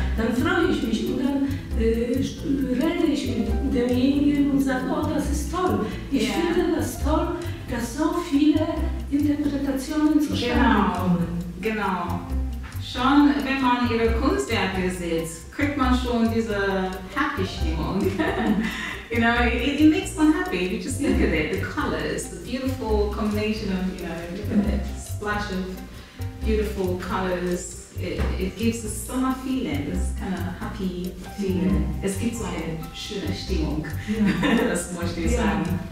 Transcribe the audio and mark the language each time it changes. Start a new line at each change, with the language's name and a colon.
German: Dann freue ich mich und dann rede ich mit demjenigen und sage, oh, das ist toll. Ich finde das toll, dass so viele Interpretationen zustande kommen. Genau. Schon wenn man ihre Kunstwerke sieht, kriegt man schon diese Happy Stimmung.
English: You know, it makes one happy. You just look at it, the colors, the beautiful combination of, you know, splash of beautiful colors. It gives a summer feeling, this kind of happy feeling. Mm.
German: Es gibt so eine schöne Stimmung, das möchte ich sagen.